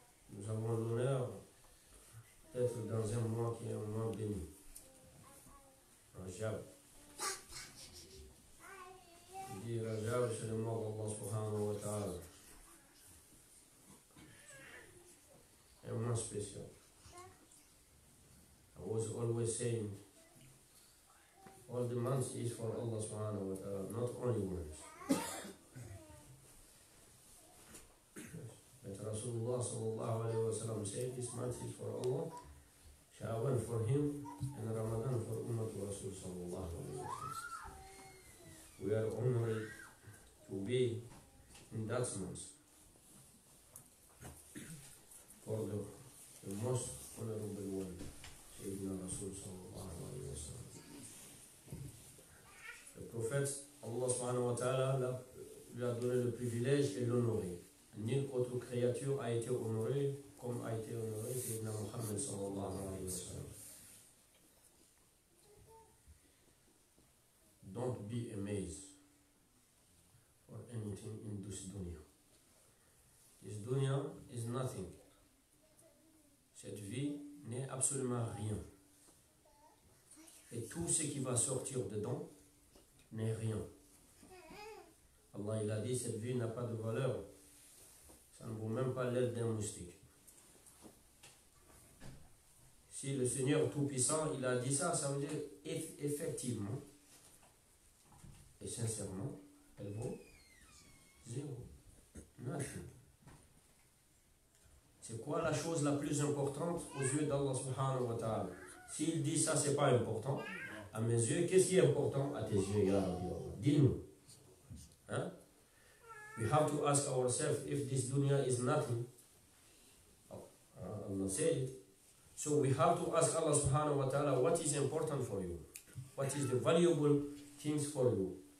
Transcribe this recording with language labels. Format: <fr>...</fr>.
<fr>Nous avons l'honneur d'être dans un mois qui est un mois béni. Rajab. Il dit Rajab, c'est le mois d'Allah subhanahu wa ta'ala. Un mois spécial.</fr> <en>I was always saying, all the months is for Allah subhanahu wa ta'ala, not only months. But Rasulullah sallallahu alayhi wa sallam said, this month is for Allah. Shaban for him and Ramadan for Ummat Rasul sallallahu alayhi wa sallam. We are honored to be in that month for the most honorable one, Sayyidina Rasul sallallahu alayhi wa sallam. The Prophet,</en> <fr>Allah subhanahu wa ta'ala, lui a donné le privilège et l'honoré. Nulle autre créature a été honorée comme a été honoré Sayyidina Muhammad sallallahu alayhi wa sallam.</fr> <en>Don't be amazed for anything in this dunya. This dunya is nothing.</en> <fr>Cette vie n'est absolument rien. Et tout ce qui va sortir dedans n'est rien. Allah il a dit, cette vie n'a pas de valeur. Ça ne vaut même pas l'aide d'un moustique. Si le Seigneur Tout-Puissant, il a dit ça, ça veut dire effectivement et sincèrement, elle vaut zéro. Nothing. C'est quoi la chose la plus importante aux yeux d'Allah subhanahu wa ta'ala? S'il dit ça, c'est pas important, à mes yeux, qu'est-ce qui est important à tes yeux, ya Rabbi Allah? Dis-nous. Hein?</fr> <en>We have to ask ourselves if this dunya is nothing. Allah said it. So we have to ask Allah subhanahu wa ta'ala, what is important for you? What is the valuable things for you?</en>